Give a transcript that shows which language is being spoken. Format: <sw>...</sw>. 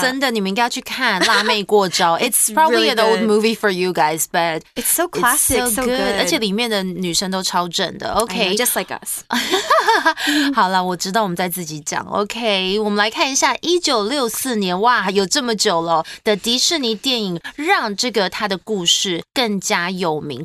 <zh>真的，你们应该去看《辣妹过招》。</zh> <en>It's probably really an old movie for you guys, but it's so classic, it's so good.</en> <zh>而且里面的女生都超正的。</zh> <en>OK. I know, just like us.</en> <zh>好了，我知道我们在自己讲。OK, 我们来看一下1964年，哇，有这么久了，的迪士尼电影让这个它的故事更加有名。</zh>